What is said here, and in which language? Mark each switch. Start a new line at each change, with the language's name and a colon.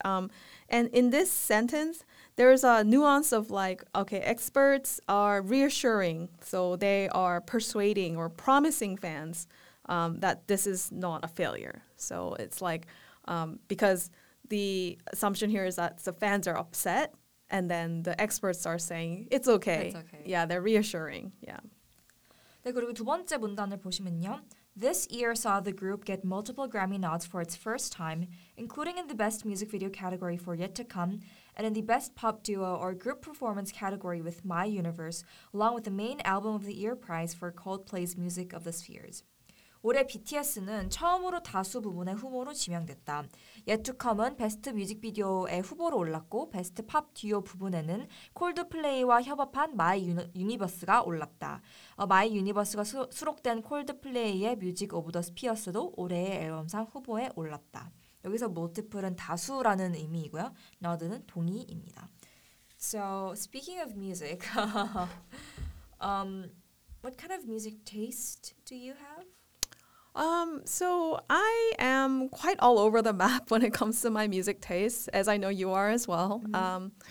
English: And in this sentence, there is a nuance of like, okay, experts are reassuring. So they are persuading or promising fans that this is not a failure. So it's like because the assumption here is that the fans are upset and then the experts are saying it's okay. It's okay. Yeah, they're reassuring. Yeah.
Korean: 네, 그리고 두 번째 문단을 보시면요.
English: This year saw the group get multiple Grammy nods for its first time, including in the Best Music Video category for Yet to Come, and in the Best Pop Duo or Group Performance category with My Universe, along with the Main Album of the Year prize for Coldplay's Music of the Spheres.
Korean: 올해 BTS는 처음으로 다수 부문의 후보로 지명됐다. Yet to Come은 베스트 뮤직비디오의 후보로 올랐고, 베스트 팝 듀오 부분에는 콜드플레이와 협업한 마이 유니버스가 올랐다. 마이 유니버스가 수록된 콜드플레이의 뮤직 오브 더 스피어스도 올해의 앨범상 후보에 올랐다. 여기서 multiple은 다수라는 의미이고요. nod는 동의입니다.
English: So, speaking of music, what kind of music taste do you have? So I am quite all over the map when it comes to my music taste, as I know you are as well. Mm-hmm.